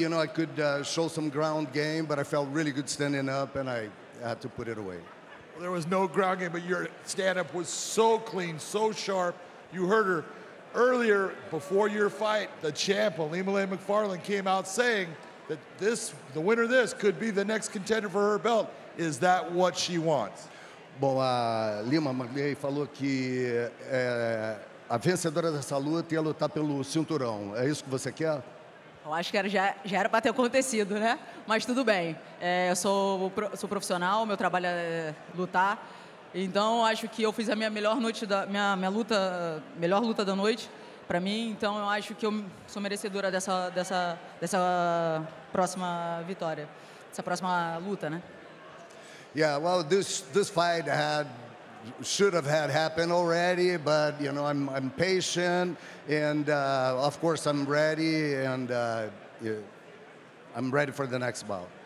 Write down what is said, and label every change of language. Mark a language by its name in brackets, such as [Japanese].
[English] You know, I could show some ground game, but I felt really good standing up, and I had to put it away. There was no ground game, but your stand-up was so clean, so sharp. You heard her earlier, before your fight, the champ, Alimale McFarland, came out saying that this, the winner of this could be the next contender for her belt. Is that what she wants? [Portuguese] Bom, a Lima McLean falou que é, a vencedora dessa luta ia lutar pelo cinturão. É isso que você quer? Eu acho que era, já era para ter acontecido, né? Mas tudo bem. É, eu sou profissional, meu trabalho é lutar. Então, acho que eu fiz a minha melhor noite da melhor luta da noite para mim. Então, eu acho que eu sou merecedora dessa próxima vitória, dessa próxima luta, né? [English] Yeah, well, this fight should have happened already, but you know, I'm patient, and of course I'm ready, and I'm ready for the next bout.